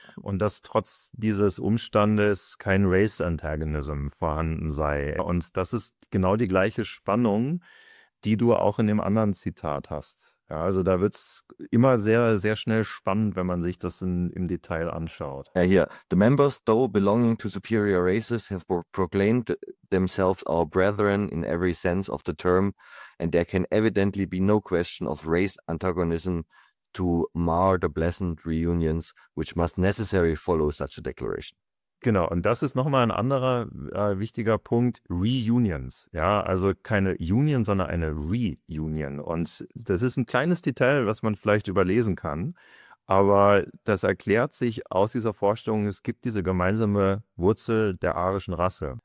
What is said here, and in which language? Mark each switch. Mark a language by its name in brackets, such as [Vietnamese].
[German] Und dass trotz dieses Umstandes kein [English] Race Antagonism [German] vorhanden sei. Und das ist genau die gleiche Spannung, die du auch in dem anderen Zitat hast. Ja, also da wird's immer sehr, sehr schnell spannend, wenn man sich das im Detail anschaut. Ja, hier. [English] The members, though belonging to superior races, have proclaimed themselves our brethren in every sense of the term, and there can evidently be no question of race antagonism to mar the blessed reunions, which must necessarily follow such a declaration. [German] Genau, und das ist nochmal ein anderer wichtiger Punkt, Reunions. Ja, also keine Union, sondern eine Reunion. Und das ist ein kleines Detail, was man vielleicht überlesen kann, aber das erklärt sich aus dieser Vorstellung, es gibt diese gemeinsame Wurzel der arischen Rasse.